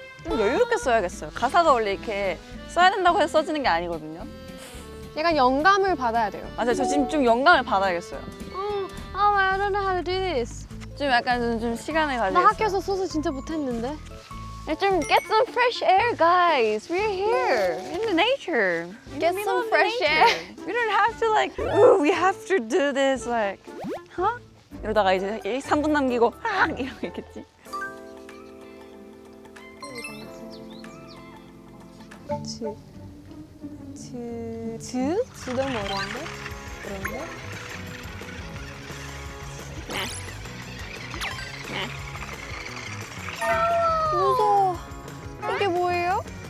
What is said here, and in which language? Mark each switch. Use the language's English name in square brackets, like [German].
[Korean] 여유롭게 써야겠어요. 가사가 원래 이렇게 써야 된다고 해서 써지는 게 아니거든요. 약간 영감을 받아야 돼요. 맞아요. 저 지금 좀 영감을 받아야겠어요. [English] Oh, I don't know how to do this. [Korean] 좀 약간 좀 시간을 가지고. 나 학교에서 소설 진짜 못했는데. [English] Just get some fresh air, guys. We're here in the nature. Get some fresh air. We don't have to like, we have to do this like, huh? [Korean] 이러다가 이제 3분 남기고 확 이러겠지. 지 너무 어려운데? 어려운데? 무서워. 이게 뭐예요?